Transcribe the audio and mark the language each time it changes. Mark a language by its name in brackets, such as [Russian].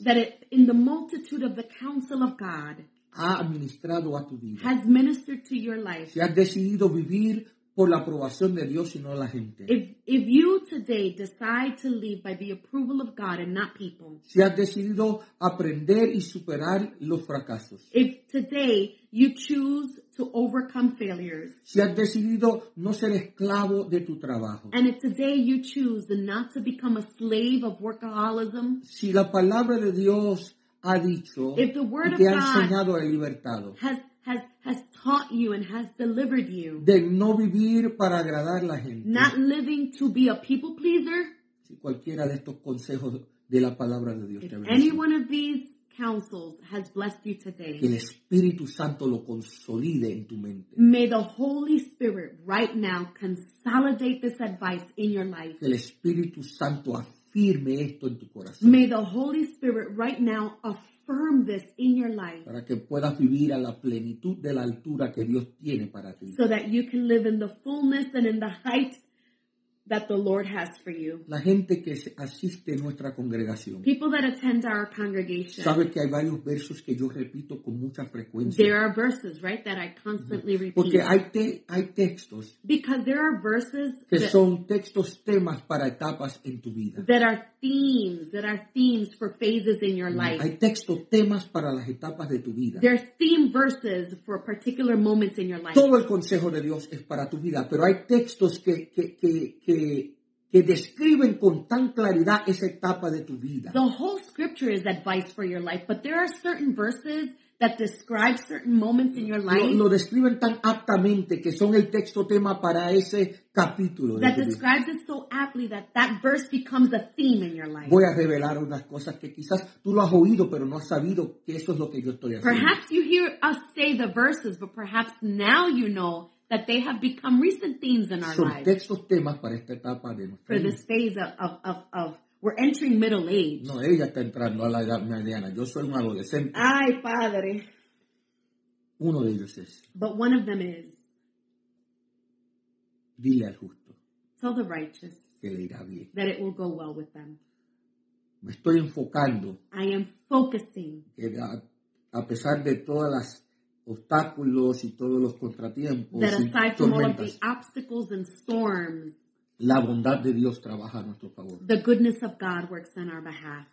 [English] That it, in the multitude of the counsel of God. [Spanish] Ha administrado a tu vida. [English] Has ministered to your life. [Spanish] Si has decidido vivir por la aprobación de Dios y no la gente. [English] If you today decide to live by the approval of God and not people. [Spanish] Si has decidido aprender y superar los fracasos. [English] If today you choose to overcome failures. [Spanish] Si has decidido no ser esclavo de tu trabajo. [English] And if today you choose not to become a slave of workaholism. [Spanish] Si la palabra de Dios ha dicho. [English] If the word [Spanish] y te [English] of [Spanish] ha [English] God [Spanish] enseñado el libertado. [English] Has taught you and has delivered you. [Spanish] De no vivir para agradar la gente. [English] Not living to be a people pleaser. [Spanish] Si cualquiera de estos consejos de la palabra de Dios [English] if [Spanish] te bendice. [English] Any one of these counsels has blessed you today. [Spanish] Que el Espíritu Santo lo consolide en tu mente. [English] May the Holy Spirit right now consolidate this advice in your life. [Spanish] Que el Espíritu Santo afirme esto en tu corazón. [English] May the Holy Spirit right now affirm. Affirm this in your life. [Spanish] Para que puedas vivir a la plenitud de la altura que Dios tiene para ti. [English] So that you can live in the fullness and in the height that the Lord has for you. [Spanish] La gente que asiste a nuestra congregación. [English] People that attend our congregation. [Spanish] Sabe que hay varios versos que yo repito con mucha frecuencia. [English] There are verses, right, that I constantly repeat. [Spanish] Porque hay textos. [English] Because there are verses. [Spanish] Que son textos temas para etapas en tu vida. [English] That are themes for phases in your life. [Spanish] Hay textos temas para las etapas de tu vida. [English] There are theme verses for particular moments in your life. [Spanish] Todo el consejo de Dios es para tu vida, pero hay textos que describen con tan claridad esa etapa de tu vida. [English] The whole scripture is advice for your life, but there are certain verses that describe certain moments in your life. [Spanish] Lo describen tan aptamente que son el texto tema para ese capítulo. [English] That describes it so aptly that that verse becomes a theme in your life. [Spanish] Voy a revelar unas cosas que quizás tú lo has oído, pero no has sabido que eso es lo que yo estoy haciendo. [English] Perhaps you hear us say the verses, but perhaps now you know that they have become recent themes in our lives. [Spanish] Temas para esta etapa de [English] for vida. This phase of we're entering middle age. [Spanish] No, ella está entrando a la edad mediana. Yo soy un adolescente. Ay, padre. Uno de ellos es. [English] But one of them is. [Spanish] Dile al justo. [English] Tell the righteous. [Spanish] Que le irá bien. [English] That it will go well with them. [Spanish] Me estoy enfocando. [English] I am focusing. [Spanish] Que a pesar de todas las obstáculos y todos los contratiempos [English] that aside [Spanish] y [English] from all of the obstacles and storms, [Spanish] la bondad de Dios trabaja a nuestro favor. [English] The goodness of God works on our behalf.